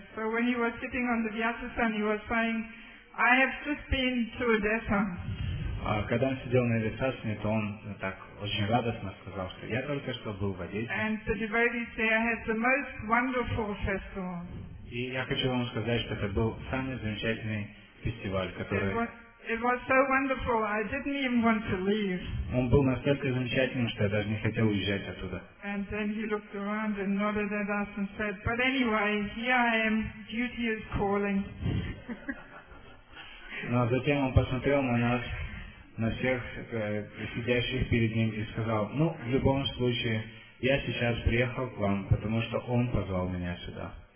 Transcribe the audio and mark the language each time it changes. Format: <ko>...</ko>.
<en>Yeah, so when he was sitting on the Vyasasana, he was saying, I have just been to Odessa.</en> <ru>Когда он сидел на Висасане, то он так очень радостно сказал, что я только что был в Одессе.</ru> <en>And the devotees there had the most wonderful festival.</en> <ru>И я хочу вам сказать, что это был самый замечательный фестиваль, который...</ru> <en>It was so wonderful, I didn't even want to leave.</en> <ru>Он был настолько замечательным, что я даже не хотел уезжать оттуда.</ru> <en>And then he looked around and nodded at us and said, but anyway, here I am, duty is calling.</en> <ru>Но затем он посмотрел на нас, на всех сидящих перед ним и сказал, ну, в любом случае, я сейчас приехал к вам, потому что он позвал меня сюда.</ru>